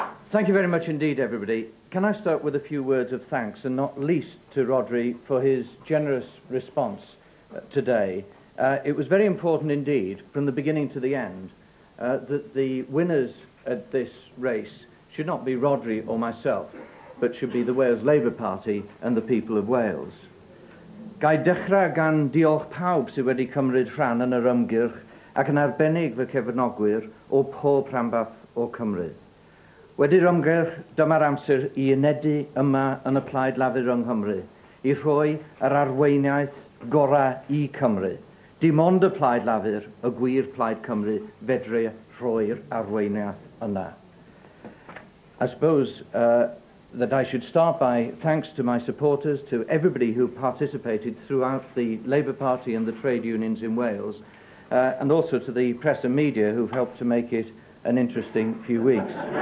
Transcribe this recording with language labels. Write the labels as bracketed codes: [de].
[en] Thank you very much indeed, everybody. Can I start with a few words of thanks, and not least to Rhodri for his generous response today. It was very important indeed, from the beginning to the end, that the winners at this race should not be Rhodri or myself, but should be the Wales Labour Party and the people of Wales. [cy] Gai dechrau gan diolch pawb sydd wedi cymryd rhan yn yr ymgyrch ac yn arbennig fy cefnogwyr o pob rhanbarth o Cymru. Wedi'r ymgyrch, dyma'r amser i unedu yma yn y Plaid Lafur yng Nghymru, i rhoi yr arweiniaeth gorau i Cymru. Dim ond y Plaid Lafur, y gwir Plaid Cymru, fedru rhoi'r arweiniaeth yna. [en] I suppose that I should start by thanks to my supporters, to everybody who participated throughout the Labour Party and the trade unions in Wales, and also to the press and media who've helped to make it an interesting few weeks.